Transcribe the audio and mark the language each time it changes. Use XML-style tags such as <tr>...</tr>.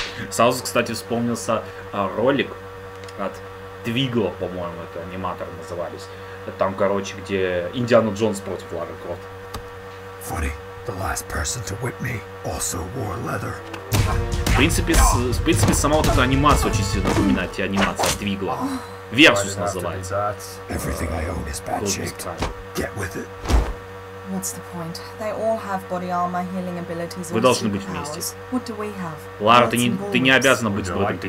<ru>Сразу, кстати, вспомнился ролик от Твигла, по-моему, это аниматоры назывались. Там, короче, где Индиана Джонс против Лары Крофт.</ru> <en>Funny. The last person to whip me also wore leather.</en> <ru>В принципе, сама вот эта анимация очень сильно напоминает тебе анимацию от Двигла. Версус называется.</ru> <en>Everything I own is bad-shaped. Get with it. What's the point? They all have body armor, healing abilities.</en> <ru>Вы должны быть вместе.</ru> <en>What do we have?</en> <ru>Лара, ты не обязана быть в группе.</ru>